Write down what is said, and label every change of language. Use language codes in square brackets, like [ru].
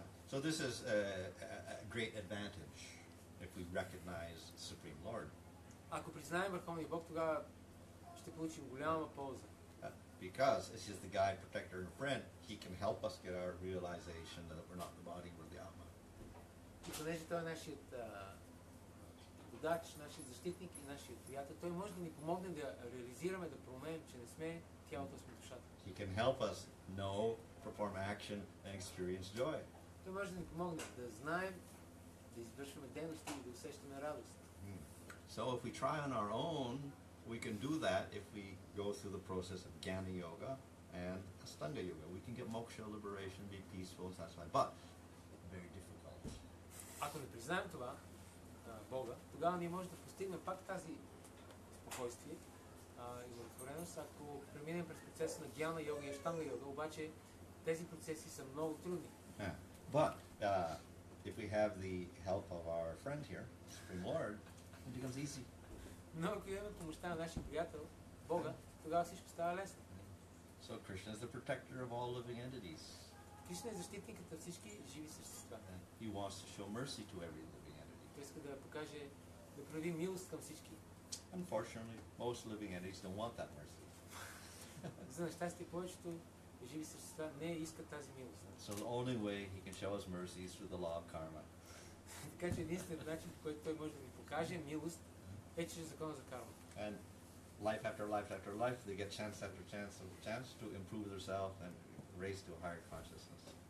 [en] So this is a great advantage if we recognize the Supreme Lord. [bg] Ако признаем Върховния Бог, тогава ще получим голяма полза. [en] Because as he's the guide, protector, and friend, he can help us get our realization that we're not the body, we're the Atma. [bg] И понеже той е нашият водач, нашият защитник и нашият приятел, той може да ни помогне да реализираме, да променим, че не сме тялото, сме душата. [en] He can help us know, perform action, and experience joy. [bg] Той може да ни помогне да знаем, да извършваме дейности и да усещаме радост. [en] So if we try on our own, we can do that if we go through the process of Jnana Yoga and Astanga Yoga. We can get moksha, liberation, be peaceful and satisfied. But very difficult. [bg] Ако не признаем това, Бога, тогава ние можем да постигнем пак тази спокойствие и удовлетвореност, ако преминем през процеса на Джняна йога и Аштанга йога, обаче тези процеси са много трудни. [en] But if we have the help of our friend here, Supreme Lord, it becomes easy. [bg] Но ако имаме помощта на нашия приятел, Бога, тогава всичко става лесно. [en] So Krishna is the protector of all living entities. [bg] Кришна е защитникът на всички живи същества. [en] He wants to show mercy to every living entity. [bg] Той иска да покаже, да прояви милост към всички. [en] Unfortunately, most living entities don't want that mercy. [bg] За нещастие, повечето живи същества не искат тази милост. [en] So the only way he can show us mercy is through the law of karma. [bg] Така че единственият начин, по който той може да ни покаже милост, е чрез закона за карма. [en] And life after life after life, they get chance after chance after chance to improve themselves and raise to a higher consciousness.